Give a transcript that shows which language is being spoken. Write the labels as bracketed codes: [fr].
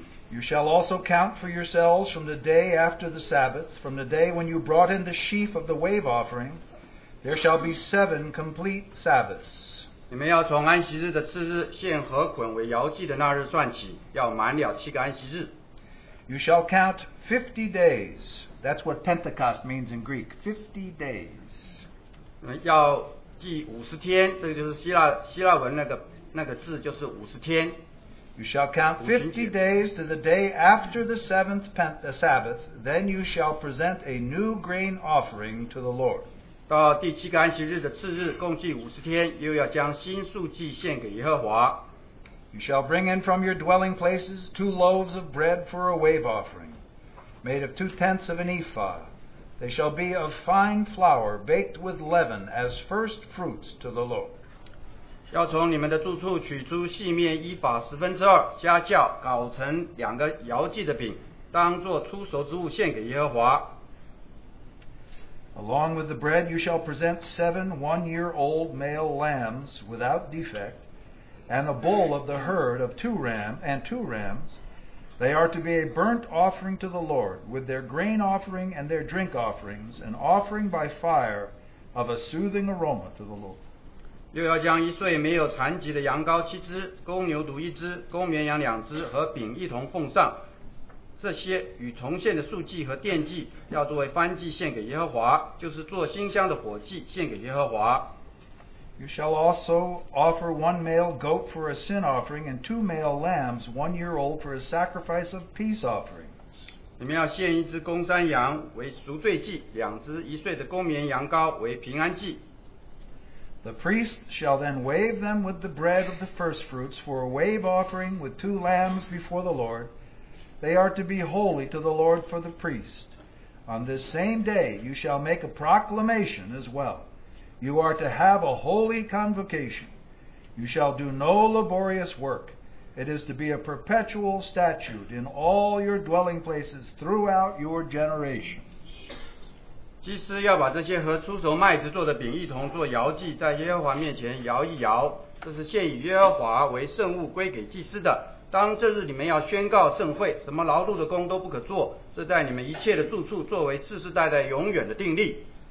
[en] You shall also count for yourselves from the day after the Sabbath, from the day when you brought in the sheaf of the wave offering, there shall be 7 complete Sabbaths. [zh] 你们要从安息日的次日献禾捆为摇祭的那日算起，要满了7安息日。 [en] You shall count 50 days. That's what Pentecost means in Greek. 50 days. [zh] 要记50天，这个就是希腊文那个字就是50天。 [en] You shall count 50 days to the day after the seventh Sabbath. Then you shall present a new grain offering to the Lord. [zh] 到第七个安息日的次日，共计50天，又要将新素祭献给耶和华。 [en] You shall bring in from your dwelling places 2 loaves of bread for a wave offering, made of 2/10 of an ephah. They shall be of fine flour baked with leaven as first fruits to the Lord. [zh] 要从你们的住处取出细面依法十分之二，加酵，搞成两个摇祭的饼，当作初熟之物献给耶和华。 [en] Along with the bread, you shall present 7 one-year-old male lambs without defect, and a bull of the herd of 2 rams and 2 rams. They are to be a burnt offering to the Lord, with their grain offering and their drink offerings, an offering by fire of a soothing aroma to the Lord. [zh] 又要将一岁没有残疾的羊羔7只，公牛犊1只，公绵羊2只和饼一同奉上。这些与铜线的素祭和奠祭要作为燔祭献给耶和华，就是做馨香的火祭献给耶和华。 [en] You shall also offer 1 male goat for a sin offering and 2 male lambs 1 year old for a sacrifice of peace offerings. [zh] 你们要献一只公山羊为赎罪祭，两只一岁的公绵羊羔为平安祭。 [en] The priest shall then wave them with the bread of the first fruits for a wave offering with 2 lambs before the Lord. They are to be holy to the Lord for the priest. On this same day you shall make a proclamation as well. You are to have a holy convocation. You shall do no laborious work. It is to be a perpetual statute in all your dwelling places throughout your generations. [zh] 祭司要把这些和初熟麦子做的饼一同做摇祭，在耶和华面前摇一摇。这是献以耶和华为圣物归给祭司的。当这日你们要宣告圣会，什么劳碌的工都不可做。这在你们一切的住处作为世世代代永远的定例。